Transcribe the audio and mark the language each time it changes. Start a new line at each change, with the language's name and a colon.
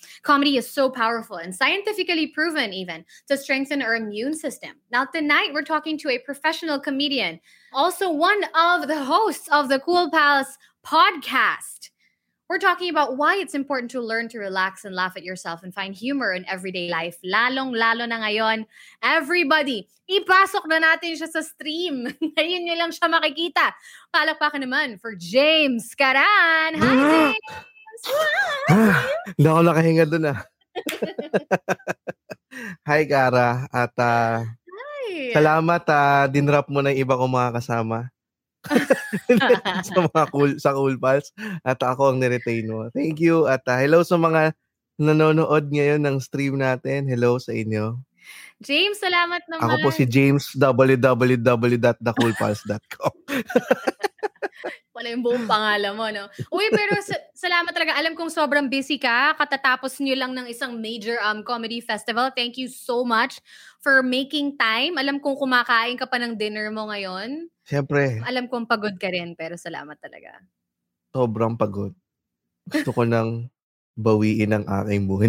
English: Comedy is so powerful and scientifically proven even to strengthen our immune system. Now tonight, we're talking to a professional comedian, also one of the hosts of the Cool Pals podcast. We're talking about why it's important to learn to relax and laugh at yourself and find humor in everyday life.
Filipino: Lalong lalo na ngayon, everybody, ipasok na natin siya sa stream. Ngayon nyo lang siya makikita. Palakpakan naman for James Karan. Hi, James! Hindi ako nakahinga doon Hi Cara at
English: Hi.
Filipino: Salamat dinrap mo na yung iba kong mga kasama sa mga cool pals at ako ang niretain mo.
English: Thank you
Filipino: at hello sa mga nanonood ngayon ng stream natin. Hello sa inyo. James, salamat naman. Ako po si James, www.thecoolpals.com. Wala yung buong pangalan mo, no? Uy, pero salamat talaga. Alam kong sobrang busy ka. Katatapos niyo lang ng isang major comedy festival.
English: Thank you so much for making time.
Filipino: Alam kong kumakain ka pa ng dinner mo ngayon. Siyempre. Alam kong pagod ka rin, pero salamat talaga. Sobrang pagod. Gusto ko nang bawiin ang aking buhay.